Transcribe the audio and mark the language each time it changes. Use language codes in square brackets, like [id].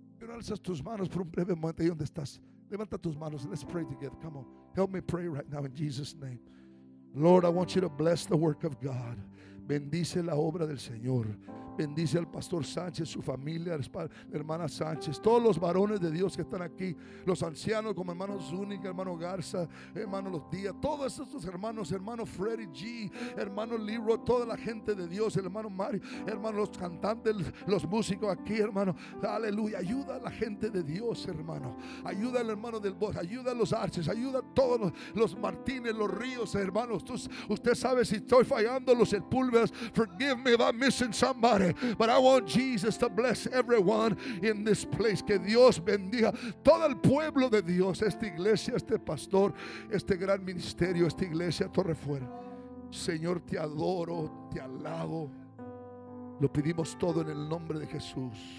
[es] Alza tus manos por un breve momento ahí donde estás. Levanta tus manos. [en] Let's pray together. Come on. Help me pray right now in Jesus' name. Lord, I want you to bless the work of God. [es] Bendice la obra del Señor. Bendice al Pastor Sánchez, su familia, la hermana Sánchez, todos los varones de Dios que están aquí, los ancianos como hermano Zúñiga, hermano Garza, hermano Los Díaz, todos estos hermanos, hermano Freddy G, hermano Leroy, toda la gente de Dios, el hermano Mario, hermano, los cantantes, los músicos aquí, hermano, aleluya, ayuda a la gente de Dios, hermano, ayuda al hermano del Bosque, ayuda a los Arches, ayuda a todos los Martínez, los Ríos, hermanos, usted sabe si estoy fallando, los Sepúlvedas, [en] forgive me if I'm missing somebody. But I want Jesus to bless everyone in this place. [es] Que Dios bendiga todo el pueblo de Dios, esta iglesia, este pastor, este gran ministerio, esta iglesia Torre Fuera. Señor, te adoro, te alabo. Lo pedimos todo en el nombre de Jesús.